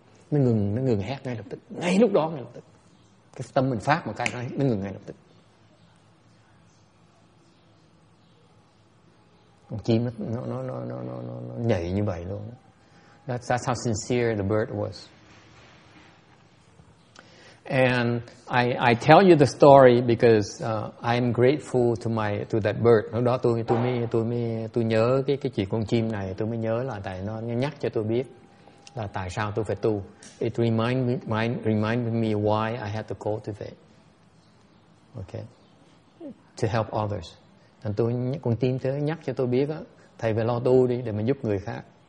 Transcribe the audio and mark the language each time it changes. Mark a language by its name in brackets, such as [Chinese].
[Vietnamese] nó ngừng hét ngay lập tức, ngay lúc đó, ngay lập tức cái tâm mình phát một cái nó ngừng ngay lập tức. Con chim nó nhảy như vậy luôn. [English] That's how sincere the bird was. And I tell you the story because I'm grateful to that bird. [Vietnamese] Lúc đó tôi nhớ cái chuyện con chim này, tôi mới nhớ là tại nó nhắc cho tôi biết là tại sao tôi phải tu. [English] It reminded me why I had to cultivate. Okay. To help others. [Vietnamese] And tôi con chim thế nhắc cho tôi biết á, thầy phải lo tu đi để mà giúp người khác.